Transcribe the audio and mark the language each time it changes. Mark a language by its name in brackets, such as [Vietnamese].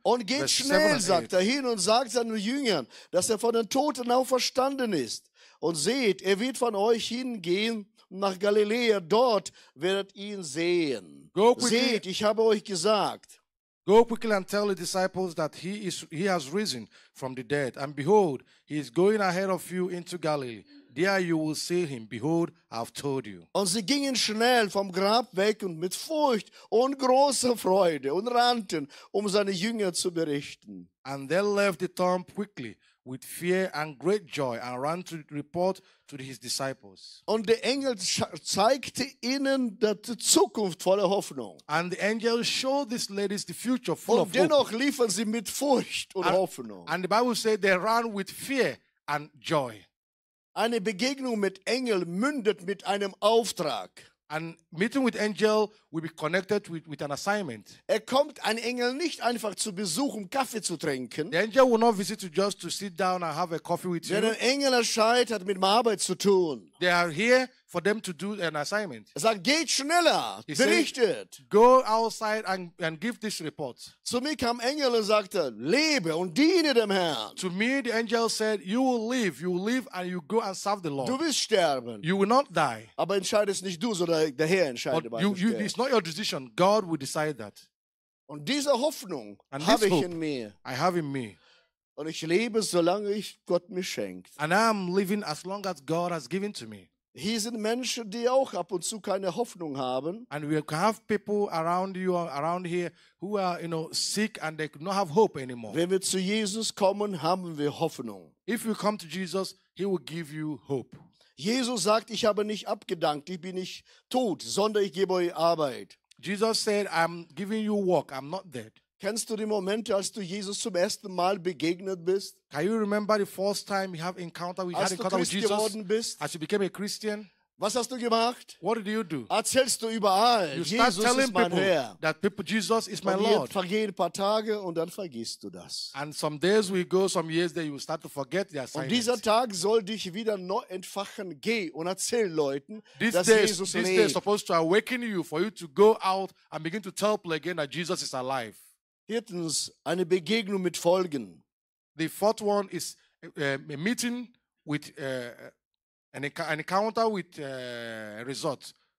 [German] und geht schnell, sagt er hin und sagt seinen Jüngern, dass er von den Toten auferstanden ist. Und seht, er wird von euch hingehen nach Galiläa. Dort werdet ihr ihn sehen. Seht, ich habe euch gesagt. [English] Go quickly and tell the disciples that he has risen from the dead. And behold, he is going ahead of you into Galilee. There you will see him. Behold, I've told you. [German] Und sie gingen schnell vom Grab weg und mit Furcht und großer Freude und rannten, um seine Jünger zu berichten. [English] And they left the tomb quickly with fear and great joy and ran to report to his disciples. [German] Und der Engel zeigte ihnen die Zukunft voller Hoffnung. [English] And the angel showed these ladies the future full [German] und [English] of hope. [German] Und dennoch liefen sie mit Furcht und Hoffnung. [English] And the Bible said they ran with fear and joy. [German] Eine Begegnung mit Engel mündet mit einem Auftrag. [English] And meeting with angel will be connected with an assignment. [German] Er kommt ein Engel nicht einfach zu Besuch, um Kaffee zu trinken. [English] The angel will not visit you just to sit down and have a coffee with [German] denn [English] you. [German] Ein Engel erscheint, hat mit meiner Arbeit zu tun. [English] They are here for them to do an assignment. [German] Er sagt, geht schneller, [English] he [German] berichtet. [English] Said, go outside and give this report. [German] Zu mir kam Engel und sagte, lebe und diene dem Herrn. [English] To me, the angel said, you will live and you go and serve the Lord. [German] Du wirst sterben. [English] You will not die. [German] Aber entscheidest nicht du, sondern der Herr entscheidet bei dir. [English] It's not your decision. God will decide that. [German] Und diese Hoffnung habe ich in mir. [English] I have in me. [German] Und ich lebe, solange ich Gott mir schenkt. [English] And I'm living as long as God has given to me. [German] Hier sind Menschen, die auch ab und zu keine Hoffnung haben. [English] And we have people around you, around here, who are, you know, sick and they don't have hope anymore. [German] Wenn wir zu Jesus kommen, haben wir Hoffnung. [English] If you come to Jesus, he will give you hope. [German] Jesus sagt, ich habe nicht abgedankt, ich bin nicht tot, sondern ich gebe euch Arbeit. [English] Jesus said, I'm giving you work, I'm not dead. [German] Kennst du die Momente, als du Jesus zum ersten Mal begegnet bist? [English] Can you remember the first time you have encounter, [German] als [English] had encounter with Jesus? [German] Als du Christ geworden bist? [English] As you became a Christian? [German] Was hast du gemacht? [English] What did you do? [German] Erzählst du überall, [English] you [German] Jesus [English] start telling [German] ist mein [English] people [German] Herr. [English] That people, Jesus is [German] und [English] my Lord. [German] Vergehen ein paar Tage und dann vergisst du das. [English] And some days we go, some years there you start to forget the assignment. [German] Und dieser Tag soll dich wieder neu entfachen. Geh und erzähl Leuten, [English] this [German] dass [English] day, [German] Jesus [English] this [German] lebt. [English] This day is supposed to awaken you for you to go out and begin to tell people again that Jesus is alive. [German] Viertens, eine Begegnung mit Folgen. [English] The fourth one is a meeting with an encounter with results.